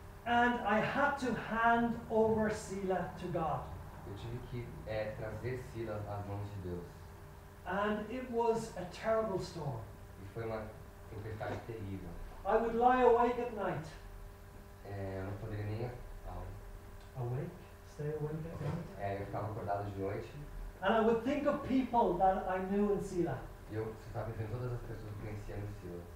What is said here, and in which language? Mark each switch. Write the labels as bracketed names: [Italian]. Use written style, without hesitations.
[English] And I had to hand over Sila to God. [Portuguese] Eu tive que trazer Sila às mãos de Deus. [English] And it was a terrible storm. [Portuguese] E foi uma tempestade terrível. [English] I would lie awake at night. [Portuguese] Eu não poderia nem [English] awake? Stay awake at night? [Portuguese] Eu ficava acordado de noite. [English] And I would think of people that I knew in Sila. [Portuguese] E eu estava pensando em todas as pessoas que conhecia no Sila.